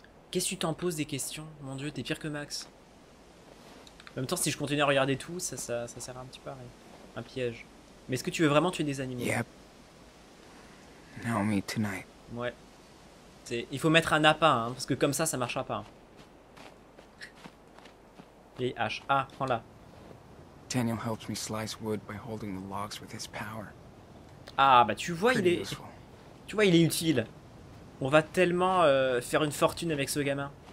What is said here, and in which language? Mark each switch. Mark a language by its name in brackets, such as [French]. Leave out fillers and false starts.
[French] Qu'est-ce que tu t'en poses des questions? Mon dieu, t'es pire que Max. En même temps, si je continue à regarder tout, ça sert un petit peu à rien. Un piège. Mais est-ce que tu veux vraiment tuer des animaux? [English] Yep. Not me tonight. [French] Ouais. C'est... Il faut mettre un appât, hein, parce que comme ça marchera pas. Vieille hache. Ah, prends-la. [English] Daniel helps me slice wood by holding the logs with his power. [French] Ah bah tu vois il est. Tu vois il est utile. On va tellement faire une fortune avec ce gamin.